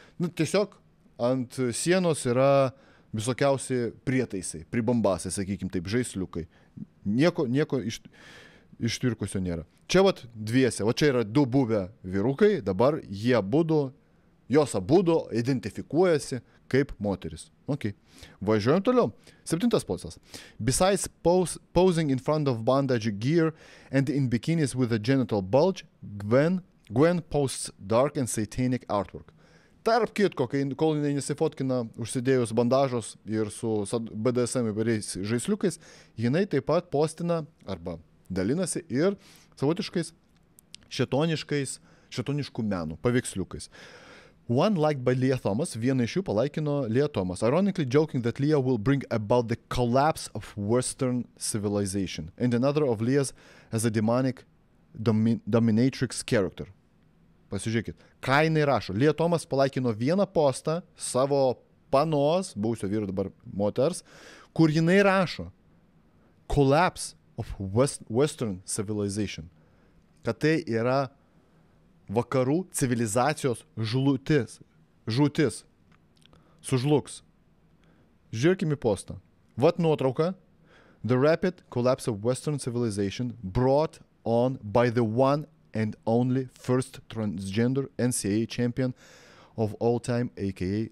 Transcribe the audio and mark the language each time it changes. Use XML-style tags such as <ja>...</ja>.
<lt>Nu, tiesiog ant sienos yra visokiausi prietaisai, pribombasai, sakykim taip, žaisliukai. Nieko ištvirkusio nėra. Čia vat dviese, vat čia yra du buvę vyrukai, dabar jie būdo, jos abudo identifikuojasi kaip moteris. Ok. Važiuojam toliau. Septintas postas.</lt> <en>Besides posing in front of bondage gear and in bikinis with a genital bulge, Gwen posts dark and satanic artwork.</en> <lt>Tarp kitko, kol jinai nesifotkina užsidėjus bandažos ir su BDSM įvairiais žaisliukais, jinai taip pat postina arba dalinasi ir savotiškais šetoniškų menų paveiksliukais.</lt> <en>One liked by Leah Thomas,</en> <lt>viena iš jų palaikino Leah Thomas,</lt> <en>ironically joking that Leah will bring about the collapse of Western civilization, and another of Leah's as a demonic dominatrix character.</en> <lt>Pasižiūrėkit, ką jinai rašo. Leah Thomas palaikino vieną postą savo panos, buvusio vyro dabar moters, kur jinai rašo</lt> <en>collapse of Western civilization,</en> <lt>kad tai yra vakarų civilizacijos žūtis. Sužluks. Žiūrėkim į postą. Vat nuotrauka.</lt> <en>The rapid collapse of Western civilization brought on by the one and only first transgender NCAA champion of all time, a.k.a.</en>